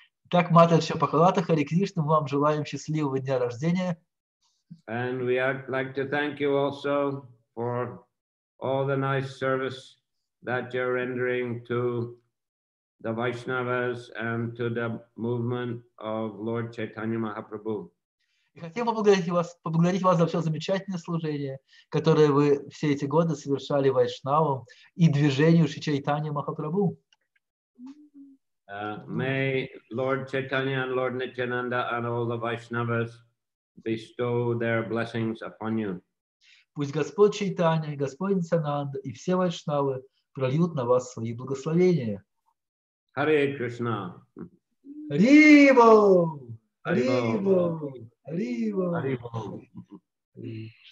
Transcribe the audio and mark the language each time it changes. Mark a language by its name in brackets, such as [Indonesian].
[Russian] Так, Матерь Шапакалата, Хари Кришна, вам желаем счастливого дня рождения. [English] And we would like to thank you also for all the nice service that you're rendering to the Vaishnavas and to the movement of Lord Chaitanya Mahaprabhu. [Russian] И хотим поблагодарить вас за все замечательное служение, которое вы все эти годы совершали Вайшнавам и движению Шри Чайтанья Махапрабху. [English] May Lord Chaitanya and Lord Nityananda and all the Vaishnavas bestow their blessings upon you. [Russian] Пусть Господь Чайтанья, Господь Нитянанда и все Вайшнавы прольют на вас свои благословения. [Sanskrit] Hare Krishna. Hare Bol. Hare Bol. Hare Bol. Hare Bol.